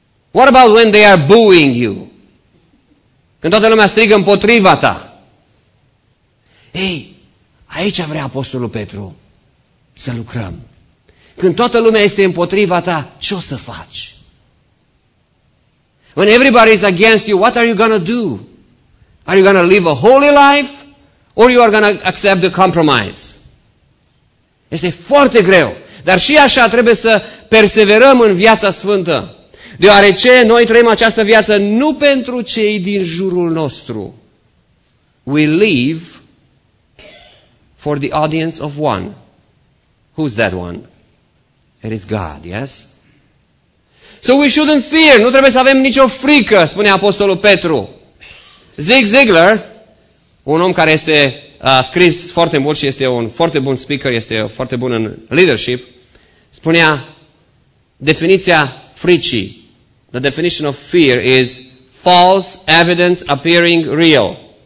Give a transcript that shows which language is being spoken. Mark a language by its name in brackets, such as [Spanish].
[English] What about when they are booing you? [Romanian] Când toată lumea strigă împotriva ta. Ei, aici vrea Apostolul Petru să lucrăm. Când toată lumea este împotriva ta, ce o să faci? [English] When everybody is against you, what are you going to do? Are you going to live a holy life? Or you are going to accept the compromise? [Romanian] Este foarte greu. Dar și așa trebuie să perseverăm în viața sfântă. Deoarece noi trăim această viață nu pentru cei din jurul nostru. [English] We live for the audience of one. Who's that one? It is God, yes? So we shouldn't fear, [Romanian] nu trebuie să avem nicio frică, spune Apostolul Petru. Zig Ziglar, un om care este a scris foarte mult și este un foarte bun speaker, este foarte bun în leadership, spunea definiția fricii. [English] The definition of fear is false evidence appearing real.